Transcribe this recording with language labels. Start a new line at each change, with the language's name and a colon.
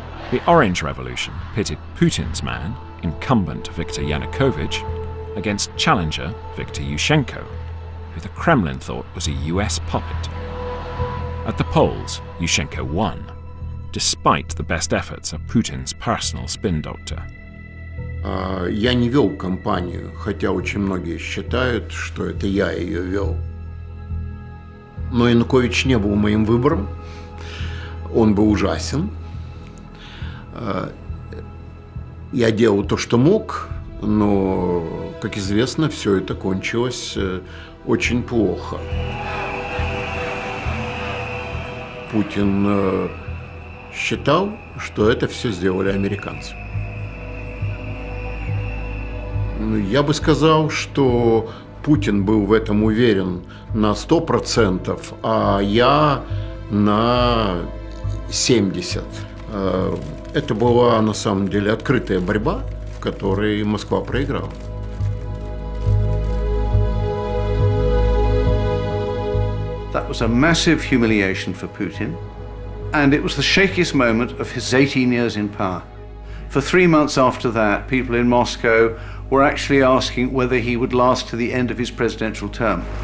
English: The Orange Revolution pitted Putin's man, incumbent Viktor Yanukovych, against challenger Viktor Yushchenko, who the Kremlin thought was a US puppet. At the polls, Yushchenko won, despite the best efforts of Putin's personal spin doctor.
Russian: Я не вёл кампанию, хотя очень многие считают, что это я её вёл. Но Янукович не был моим выбором. Он был ужасен. Я делал то, что мог, но, как известно, всё это кончилось очень плохо. Путин считал, что это всё сделали американцы. Я бы сказал, что Путин был в этом уверен на 100%, а я на 70%. Это была, на самом деле, открытая борьба, в которой Москва проиграла.
English: That was a massive humiliation for Putin, and it was the shakiest moment of his 18 years in power. For 3 months after that, people in Moscow were actually asking whether he would last to the end of his presidential term.